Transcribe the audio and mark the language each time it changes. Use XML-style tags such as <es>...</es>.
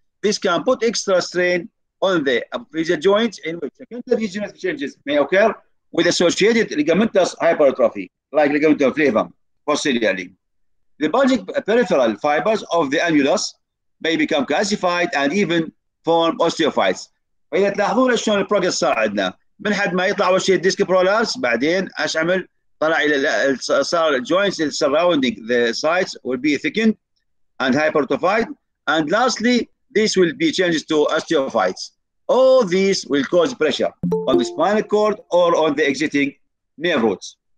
<en>This can put extra strain on the apophyseal joints in which secondary degenerative changes may occur with associated ligamentous hypertrophy, like ligamentum flavum, posteriorly. The bulging peripheral fibers of the annulus may become calcified and even form osteophytes.</en> <ar>فإذا تلاحظون شلون البروجرس صار عندنا من حد ما يطلع اول شيء الديسك برولابس بعدين ايش عمل؟ طلع الى صار</ar> <en>الجوينتس surrounding the sites will be thickened and hypertrophied and lastly this will be changes to osteophytes. All these will cause pressure on the spinal cord or on the exiting nerve roots.</en>